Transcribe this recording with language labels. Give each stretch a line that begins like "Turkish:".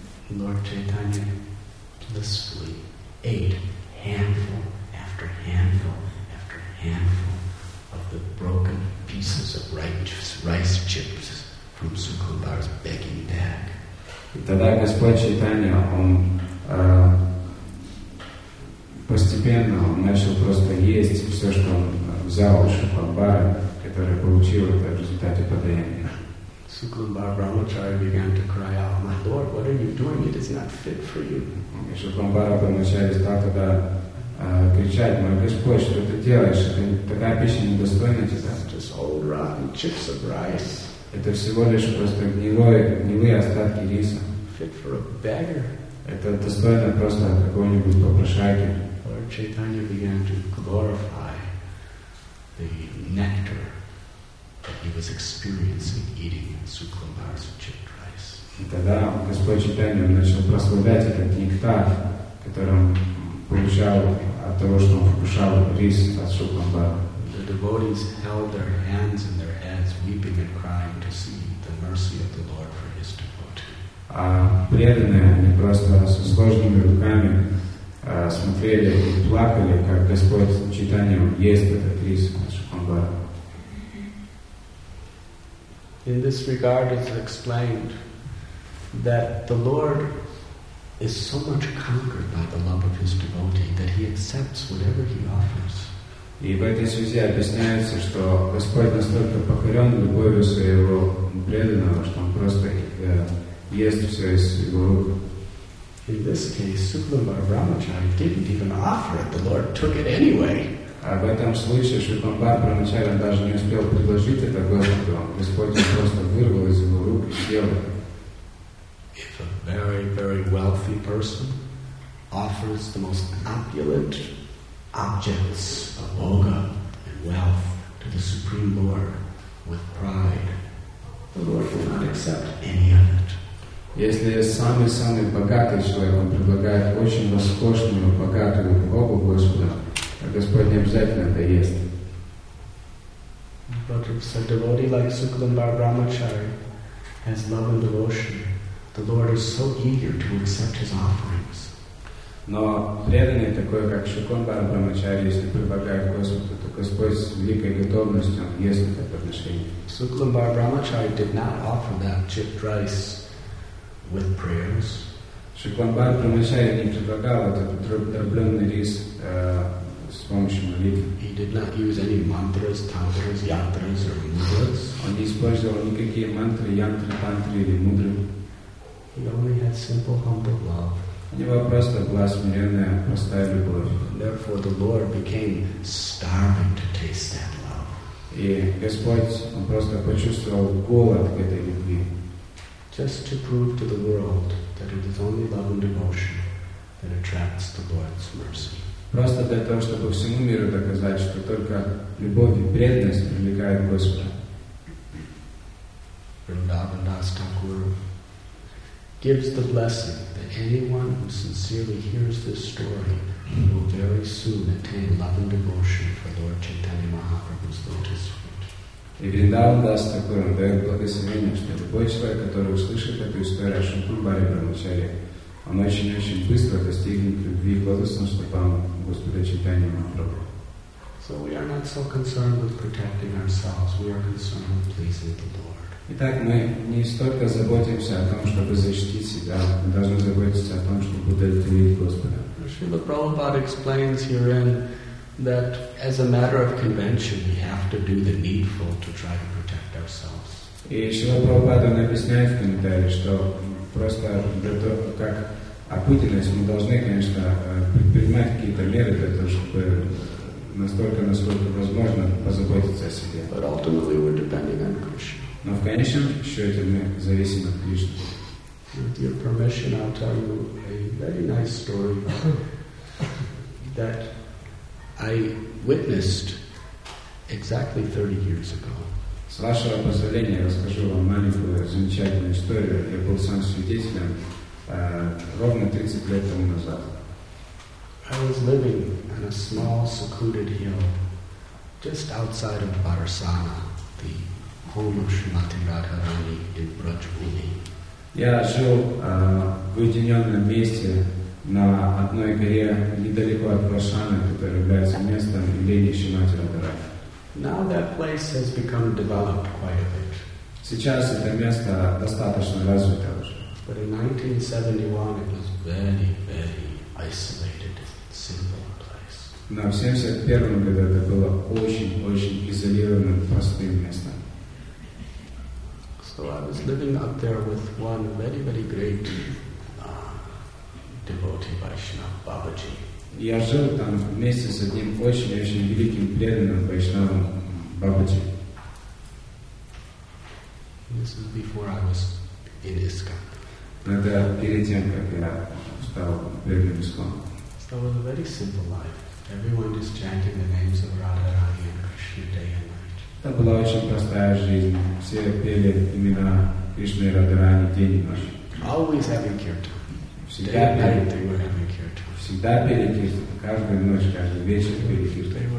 English: Lord Chaitanya blissfully ate handful after handful after handful of the broken pieces of rice chips from Suklumbar's begging bag.
Russian: И тогда Господь Чайтанья, он постепенно он начал просто есть все, что он взял у Суклумбара, который получил это в результате подаяния.
English: Suklambar Brahmachari began to cry out, "My Lord, what are you doing? It is not fit for you."
Russian: Suklambar Brahmachari стал тогда кричать, "Мой Господь, что ты делаешь? Такая пища недостойна тебя."
English: Just old rotten chips of rice.
Russian: Это всего лишь просто гнилые остатки риса.
English: Fit for a beggar.
Russian: Это достойно просто какого-нибудь попрошайки.
English: Lord Chaitanya began to glorify the nectar that he was experiencing eating Suklambar's chipped rice.
Russian: И тогда Господь Чайтанья начал прославлять этот нектар, который он получал от того, что он вкушал рис от Суклумбара.
English: The devotees held their hands in their heads, weeping and crying to see the mercy of the Lord for his devotee.
Russian: А преданные, они просто со сложными руками смотрели и плакали, как Господь Чайтанья ест этот рис от Суклумбара.
English: In this regard, it's explained that the Lord is so much conquered by the love of his devotee that he accepts whatever he offers.
Russian: И в этой связи объясняется, что Господь настолько покорен любовью своего преданного, что он просто ест все из его рук.
English: In this case, Suklambar Brahmachari didn't even offer it. The Lord took it anyway.
Russian: А в этом случае Шукамбар Брамачари даже не успел предложить это Господу. Господь просто вырвал из его рук и съел.
English: If a very, very wealthy person offers the most opulent objects of bhoga and wealth to the Supreme Lord with pride, the Lord will not accept any of it.
Russian: Если самый-самый богатый человек, он предлагает очень роскошную, богатую богу Господа, а Господь не обязательно это ест.
English: But if a devotee like Suklambar Brahmachari has love and devotion, the Lord is so eager to accept his offerings.
Russian: Но преданный такой, как Шукон Брахмачари, если прибавляет Господу, то Господь с великой готовностью он ест это подношение.
English: Шукламбар Брахмачари did not offer that chipped rice with prayers.
Russian: Шукламбар Брахмачари не предлагал этот дробленный рис с помощью молитв.
English: He did not use any mantras, tantras, yantras or mudras.
Russian: Он не использовал никакие мантры, янтры, тантры или мудры.
English: He only had simple, humble love.
Russian: У него просто была смиренная, простая любовь.
English: Therefore, the Lord became starving to taste that love.
Russian: И Господь, он просто почувствовал голод к этой любви.
English: Just to prove to the world that it is only love and devotion that attracts the Lord's mercy.
Russian: Просто для того, чтобы всему миру доказать, что только любовь и преданность привлекают Господа.
English: Vrindavan Das Thakur gives the blessing that anyone who sincerely hears this story will very soon attain love and devotion for Lord Chaitanya Mahaprabhu's lotus feet.
Russian: И Vrindavan Das Thakur дает благословение, что любой человек, который услышит эту историю о Шукрубаре Брамачаре, он очень-очень быстро достигнет любви к лотосным стопам Господа Чайтанья Махапрабху.
English: So we are not so concerned with protecting ourselves, we are concerned with pleasing the Lord.
Russian: Итак, мы не столько заботимся о том, чтобы защитить себя, мы должны заботиться о том, чтобы удовлетворить Господа.
English: Srila Prabhupada explains herein that as a matter of convention, we have to do the needful to try to protect ourselves.
Russian: И Srila Prabhupada объясняет в комментарии, что просто для того, как обыденность, мы должны, конечно, предпринимать какие-то меры для того, чтобы настолько, насколько возможно, позаботиться о себе.
English: But ultimately we're depending on Krishna.
Russian: Но в конечном счете мы зависим от Кришны.
English: With your permission, I'll tell you a very nice story that I witnessed exactly 30 years ago.
Russian: С вашего позволения, я расскажу вам маленькую замечательную историю. Я был сам свидетелем ровно 30 лет тому назад.
English: I was living on a small secluded hill just outside of Barsana, the home of Shrimati Radharani in Brajbhumi.
Russian: Я жил в уединенном месте на одной горе недалеко от Барсана, которое является местом имени Шримати Радхарани.
English: Now that place has become developed quite a bit.
Russian: Сейчас это место достаточно развито уже.
English: But in 1971 it was very, very isolated, simple place.
Russian: Но в 71 году это было очень-очень изолированным, простым местом.
English: So I was living up there with one very, very great devotee, Vaishnava, Babaji.
Russian: Я жил там вместе с одним очень-очень великим преданным Вайшнавом Бабаджи.
English: This is before I was in ISKCON.
Russian: Это перед тем, как я стал преданным ISKCON.
English: So it was a very simple life. Everyone is chanting the names of Radharani and Krishna day and night.
Russian: Это была очень простая жизнь. Все пели имена Кришны и Радхарани день и ночь.
English: Always having kirtan. Day and night they were having kirtan.
Russian: Всегда пели киртан, каждую ночь, каждый вечер пели киртан.